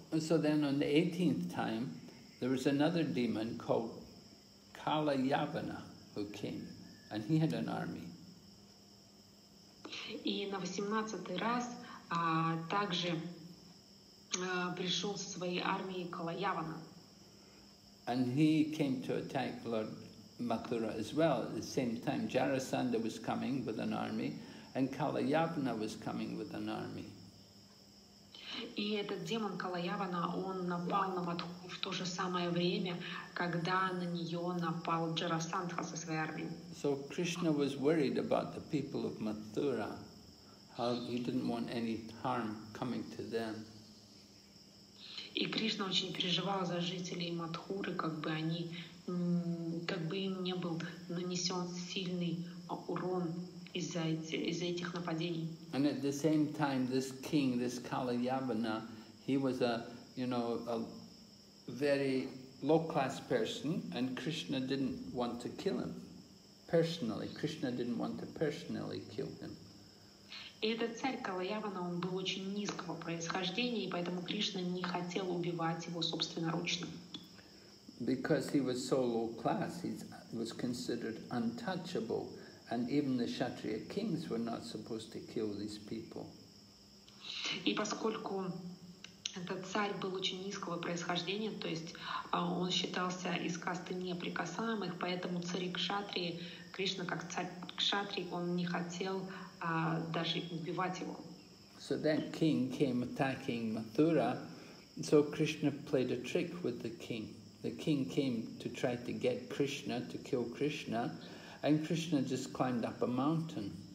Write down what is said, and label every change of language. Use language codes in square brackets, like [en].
[en] So then on the 18th time, there was another demon called Kalayavana who came, and he had an army. [ru] И на 18 раз также пришел со своей армией Калаявана. [en] And he came to attack Lord Mathura as well. At the same time, Jarasandha was coming with an army, and Kalayavana was coming with an army. [ru] И этот демон Калаявана, он напал на Мадхуру в то же самое время, когда на нее напал Джарасандха со своей армией. [en] So Krishna was worried about the people of Mathura, how he didn't want any harm coming to them. [ru] И Кришна очень переживал за жителей Мадхуры, как бы им не был нанесен сильный урон из-за этих нападений. [en] And at the same time, this king, this Kalayavana, he was a, you know, a very low-class person, and Krishna didn't want to kill him personally. Krishna didn't want to personally kill him. [ru] И этот царь Калаявана, он был очень низкого происхождения, и поэтому Кришна не хотел убивать его собственноручно. [en] Because he was so low class, he was considered untouchable, and even the Kshatriya kings were not supposed to kill these people. [ru] И поскольку этот царь был очень низкого происхождения, то есть он считался из касты неприкасаемых, поэтому цари Кшатрии, Кришна как царь Кшатрии, он не хотел даже убивать его. [en] So that king came attacking Mathura, so Krishna played a trick with the king. The king came to try to get Krishna, to kill Krishna, and Krishna just climbed up a mountain.